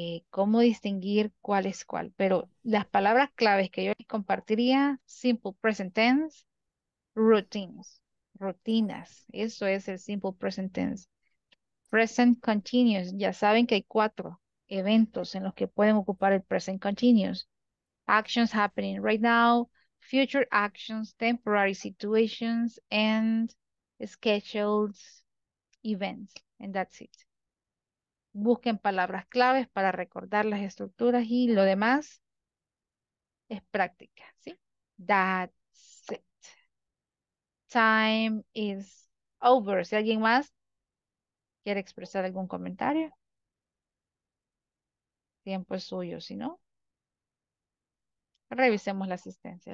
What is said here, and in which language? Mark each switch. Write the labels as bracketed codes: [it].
[es] ¿Cómo distinguir cuál es cuál? Pero las palabras claves que yo les compartiría, simple present tense, routines, rutinas. Eso es el simple present tense. Present continuous. Ya saben que hay 4 eventos en los que pueden ocupar el present continuous. [en] Actions happening right now, future actions, temporary situations, and scheduled events, and that's it. [es] Busquen palabras claves para recordar las estructuras y lo demás es práctica, ¿sí? [en] That's it. Time is over. [es] Si alguien más quiere expresar algún comentario, tiempo es suyo, si no, revisemos la asistencia.